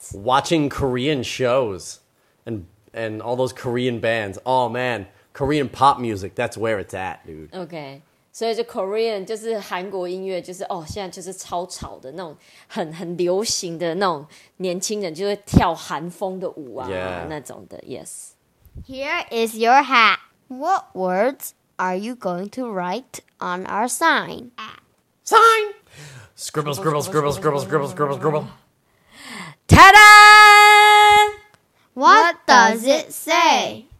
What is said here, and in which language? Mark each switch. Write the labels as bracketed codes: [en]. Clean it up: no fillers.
[en] watching Korean shows and all those Korean bands oh man Korean pop music that's where it's at dude [zh] OK 所以就 Korean 就是韩国音乐就是哦现在就是超潮的那种很流行的那种年轻人就会跳韩风的舞啊、 [en] yeah. [zh] 那种的 yes [en] Here is your hat. What words are you going to write on our sign? Sign! Scribble, scribble, scribble, scribble, scribble, scribble, scribble. Ta-da! What does it say?